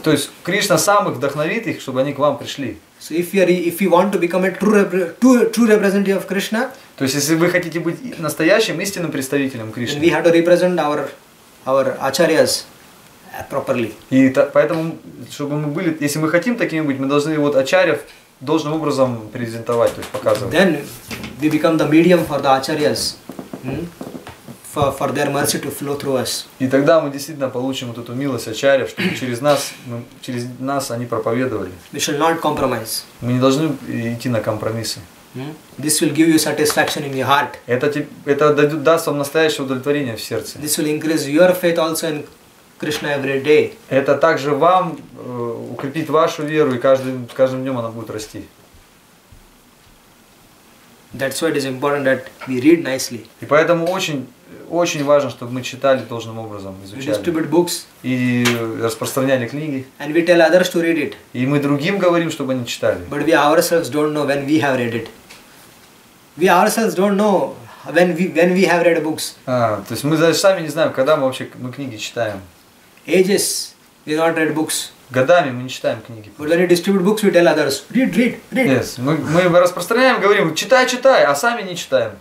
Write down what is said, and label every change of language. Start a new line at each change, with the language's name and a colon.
Russian: То есть Кришна сам их вдохновит их, чтобы они к вам пришли.
English: So if you want to become a true representative of Krishna,
Russian: то есть если вы хотите быть настоящим истинным представителем Кришны,
English: then we have to represent our acharyas properly.
Russian: И поэтому, чтобы мы были, если мы хотим такими быть, мы должны вот ачарьев должным образом презентовать, то есть показывать.
English: Then we become the medium for the acharyas. for their mercy to flow through us.
Russian: И тогда мы действительно получим вот эту милость ачарьев, чтобы через нас они проповедовали.
English: We shall not compromise.
Russian: Мы не должны идти на компромиссы.
English: This will give you satisfaction in your heart.
Russian: Это даст вам настоящее удовлетворение в сердце.
English: This will increase your faith also in Krishna every day.
Russian: Это также вам укрепит вашу веру, и каждым днем она будет расти.
English: That's why it is important that we read nicely.
Russian: И поэтому очень важно, чтобы мы читали должным образом, изучали.
English: We distribute books.
Russian: И распространяли книги.
English: And we tell others to read it.
Russian: И мы другим говорим, чтобы они читали.
English: But we ourselves don't know when we have read it. We ourselves don't know when we have read books.
Russian: То есть мы даже сами не знаем, когда мы вообще мы книги читаем.
English: Ages, we not read books.
Russian: Годами мы не читаем книги.
English: But when we distribute books, we tell others, read.
Russian: Yes, мы распространяем, говорим, читай, а сами не читаем.